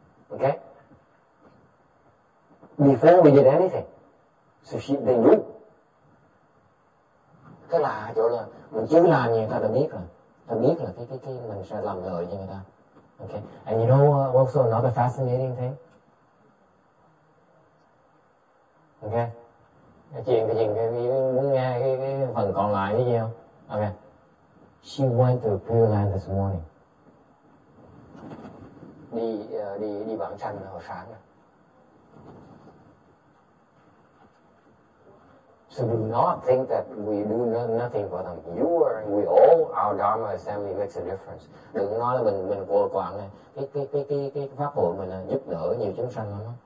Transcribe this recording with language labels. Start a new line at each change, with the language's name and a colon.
English: Okay, before we did anything, so she they knew.
Vietnamese: Cái là chỗ là mình chưa làm gì, ta đã biết rồi. Ta biết là cái mình sẽ làm lợi cho người ta. Okay.
English: And you know also another fascinating thing?
Vietnamese: Okay. Chuyện muốn nghe cái phần còn lại cái gì không? Okay.
English: She went to Pure Land this morning.
Vietnamese: Đi vãng sanh hồi sáng.
English: So do not think that we do nothing for them. You are, we all, our Dharma assembly makes a difference.
Vietnamese: Đừng nói là mình vô quản này. Cái pháp hội mình là giúp đỡ nhiều chúng sanh lắm.